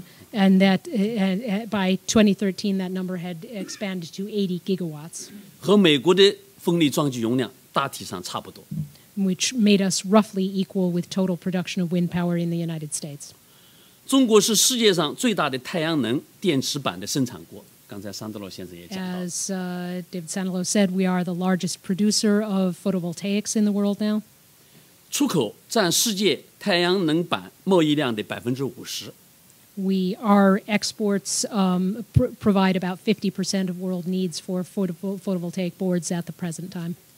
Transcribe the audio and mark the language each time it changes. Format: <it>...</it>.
<en>And that by 2013, that number had expanded to 80 gigawatts.</en> <zh>和美国的风力装机容量大体上差不多。</zh> <en>Which made us roughly equal with total production of wind power in the United States.</en> <zh>中国是世界上最大的太阳能电池板的生产国。刚才桑德洛先生也讲到。</zh> <en>As David Sandlow said, we are the largest producer of photovoltaics in the world now.</en> <zh>出口占世界太阳能板贸易量的50%。</zh> <en>We our exports provide about 50% of world needs for photovoltaic boards at the present time.</en>